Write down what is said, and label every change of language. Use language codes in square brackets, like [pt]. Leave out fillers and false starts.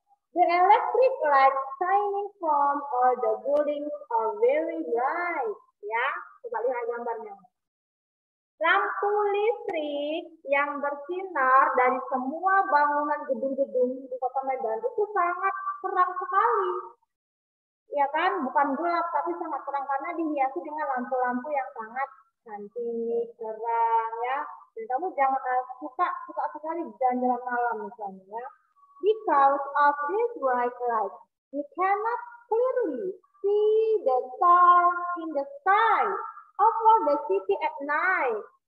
[en] The electric lights shining from all the buildings are very bright. [id] Ya, coba lihat gambarnya. Lampu listrik yang bersinar dari semua bangunan gedung-gedung di kota Medan itu sangat terang sekali. Ya kan, bukan gelap tapi sangat terang karena dihiasi dengan lampu-lampu yang sangat cantik, terang ya. Jadi kamu jangan suka sekali jalan-jalan malam misalnya ya. [en] Because of this bright light, you cannot clearly see the stars in the sky over the city at night.